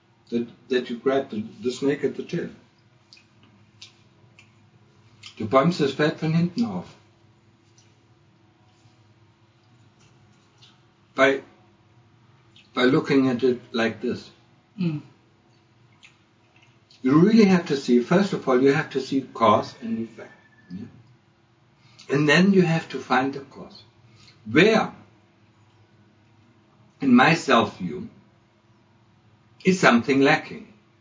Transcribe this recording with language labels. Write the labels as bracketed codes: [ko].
[en] That you grab the snake at the tail. [de] Du bäumst das Pferd von hinten auf. [en] By looking at it like this. Mm. You really have to see, first of all, you have to see cause and effect. Yeah? And then you have to find the cause. Where, in my self-view, is something lacking?